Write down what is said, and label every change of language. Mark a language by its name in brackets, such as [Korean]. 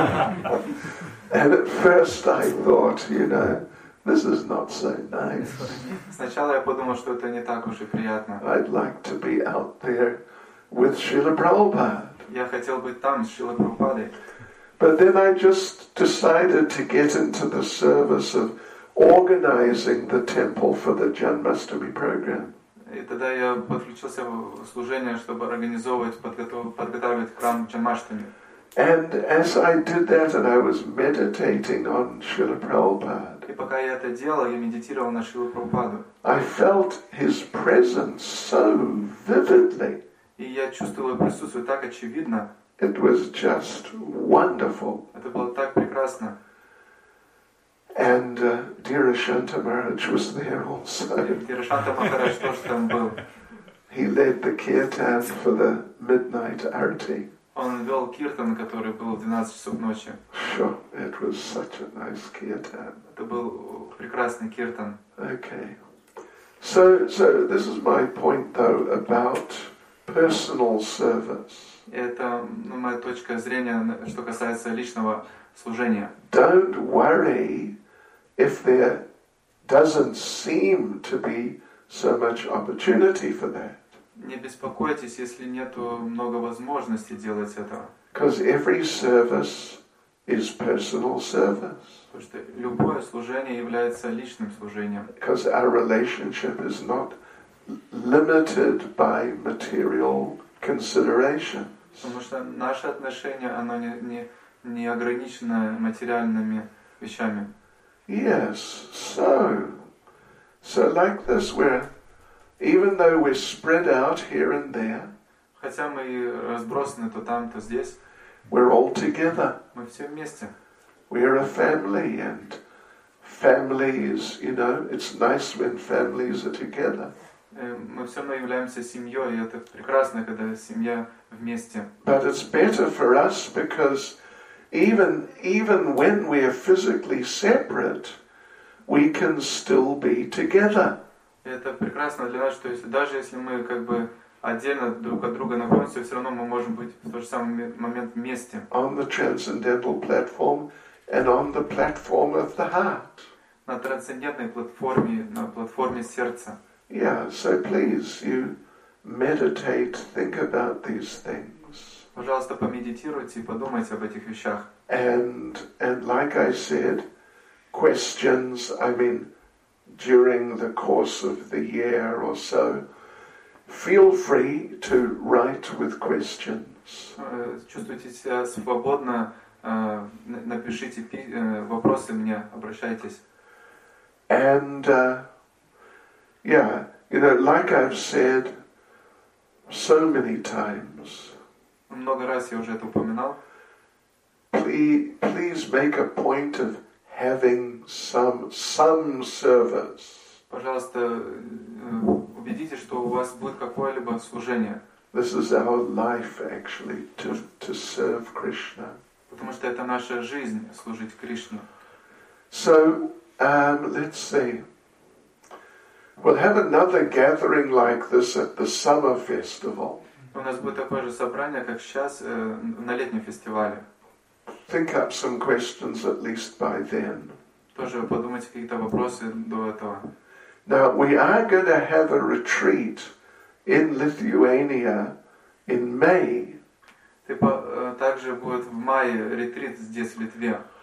[English] And at first I thought, you know, this is not so nice. [Russian] Сначала я подумал, что это не так уж и приятно. [English] I'd like to be out there with Srila Prabhupada. [Russian] Я хотел быть там с Шрилой Прабхупадой. [English] But then I just decided to get into the service of organizing the temple for the Janmashtami program. [Russian] И тогда я подключился в служение, чтобы организовывать, подготавливать храм Джанмаштами. [English] And as I did that, and I was meditating on Srila Prabhupada. [Russian] И пока я это делал, я медитировал на Шрилу Прабхупаду. [English] I felt his presence so vividly. [Russian] И я чувствовал присутствие так очевидно. [English] It was just wonderful. [Russian] Это было так прекрасно. [English] And dear Ashanta Maharaj was there also. Dear [Russian] Ashanta Maharaj тоже там был. [English] He led the kirtan for the midnight arati. [Russian] Он вел киртан, который был в 12 часов ночи. [English] Sure, it was such a nice kirtan. [Russian] Это был прекрасный киртан. [English] Okay. So this is my point though about personal service. [Russian] Это моя точка зрения, что касается личного служения. [English] Don't worry if there doesn't seem to be so much opportunity for that. [Russian] Не беспокойтесь, если нету много возможностей делать это. [English] Because every service is personal service. [Russian] Потому что любое служение является личным служением. [English] Because our relationship is not limited by material considerations. [Russian] Потому что наше отношение, оно не ограничено материальными вещами. [English] Yes, so like this, we're even though we're spread out here and there, [Russian] хотя мы разбросаны то там, то здесь, [English] we're all together. [Russian] Мы все вместе. [English] We're a family, and families, you know, it's nice when families are together. [Russian] Мы все мы являемся семьей, и это прекрасно, когда семья вместе. [English] But it's better for us because even when we are physically separate, we can still be together. [Russian] Это прекрасно для нас, что если даже если мы как бы отдельно друг от друга находимся, все равно мы можем быть в тот же самый момент вместе. [English] On the transcendental platform and on the platform of the heart. [Russian] На трансцендентной платформе, на платформе сердца. [English] Yeah, so please, you meditate, think about these things. [Russian] Пожалуйста, помедитируйте и подумайте об этих вещах. [English] And like I said, questions, I mean, during the course of the year or so, feel free to write with questions. [Russian] Чувствуйте себя свободно, напишите вопросы мне, обращайтесь. [English] And, yeah, you know, like I've said so many times. [Russian] Много раз я уже это упоминал. [English] Please make a point of having some service. [Russian] Пожалуйста, убедитесь, что у вас будет какое-либо служение. [English] This is our life, actually, to serve Krishna. [Russian] Потому что это наша жизнь служить Кришне. [English] So, let's see. We'll have another gathering like this at the summer festival. [Russian] У нас будет такое же собрание, как сейчас, на летнем фестивале. [English] Think up some questions at least by then. [Russian] Тоже подумайте какие-то вопросы до этого. [English] Now we are going to have a retreat in Lithuania in May. [Russian] Также будет в мае ретрит здесь, в Литве.